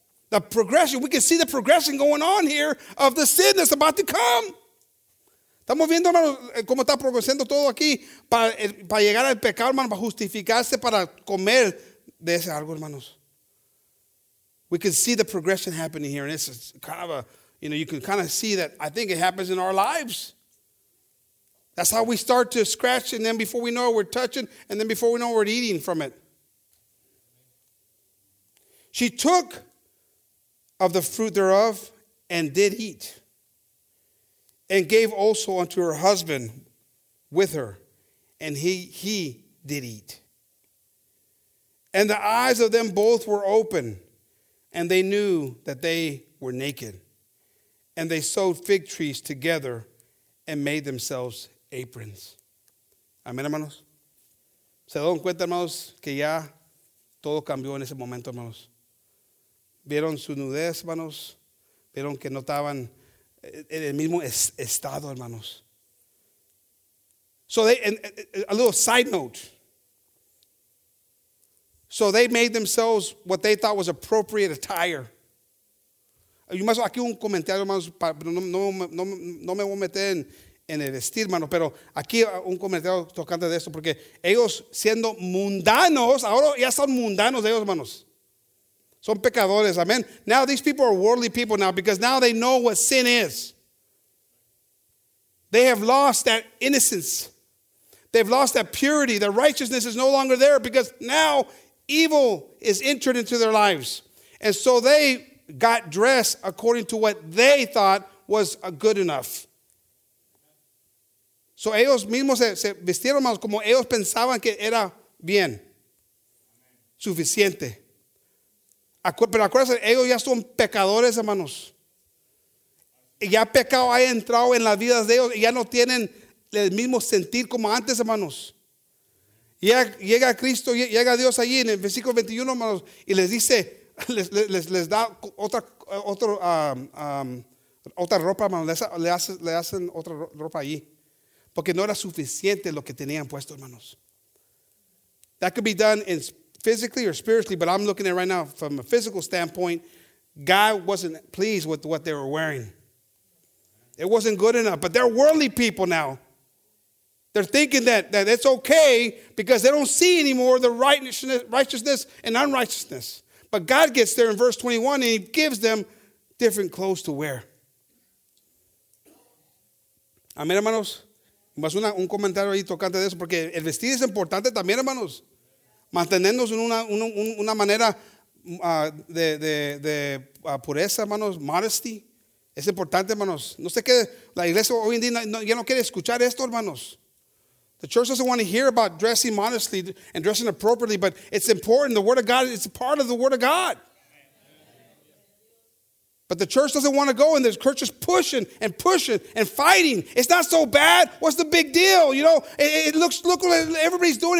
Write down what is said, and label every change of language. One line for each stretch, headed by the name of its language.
English: The progression, we can see the progression going on here of the sin that's about to come.
Spanish: Estamos viendo, hermano, cómo está progresando todo aquí para llegar al pecado, hermano, para justificarse, para comer de ese algo, hermanos.
English: We can see the progression happening here, and it's kind of you can kind of see that. I think it happens in our lives. That's how we start to scratch, and then before we know it, we're touching, and then before we know it, we're eating from it. She took of the fruit thereof and did eat, and gave also unto her husband with her, and he did eat. And the eyes of them both were open, and they knew that they were naked. And they sewed fig trees together and made themselves aprons.
Spanish: Amén, hermanos. Se dan cuenta, hermanos, que ya todo cambió en ese momento, hermanos. Vieron su nudez, hermanos. Vieron que no estaban en el mismo estado, hermanos.
English: So they, a little side note. So they made themselves what they thought was appropriate attire. You must
Spanish: aquí un comentario, hermanos, no me voy a meter en el vestir, hermano, pero aquí un comentario tocante de esto, porque ellos siendo mundanos, ahora ya son mundanos ellos, hermanos. Son pecadores, amen.
English: Now these people are worldly people now, because now they know what sin is. They have lost that innocence. They've lost that purity. Their righteousness is no longer there, because now evil is entered into their lives. And so they got dressed according to what they thought was good enough.
Spanish: So ellos mismos se vistieron más como ellos pensaban que era bien, suficiente. Pero acuérdense, ellos ya son pecadores, hermanos. Y ya pecado ha entrado en las vidas de ellos y ya no tienen el mismo sentir como antes, hermanos. Llega Cristo, llega Dios allí en el versículo 21, hermanos, y les dice, les da otra ropa, hermanos, le hacen otra ropa allí, porque no era suficiente lo que tenían puesto, hermanos.
English: That could be done in physically or spiritually, but I'm looking at it right now from a physical standpoint. God wasn't pleased with what they were wearing. It wasn't good enough, but they're worldly people now. They're thinking that it's okay, because they don't see anymore the righteousness and unrighteousness. But God gets there in verse 21 and he gives them different clothes to wear.
Spanish: Amén, hermanos. Más un comentario ahí tocante de eso, porque el vestir es importante también, hermanos. Mantenernos en una manera de pureza, hermanos. Modesty. Es importante, hermanos. No sé qué. La iglesia hoy en día ya no quiere escuchar esto, hermanos.
English: The church doesn't want to hear about dressing modestly and dressing appropriately, but it's important. The word of God is part of the word of God. But the church doesn't want to go, and the church is pushing and pushing and fighting. It's not so bad. What's the big deal? You know, it looks, look what everybody's doing.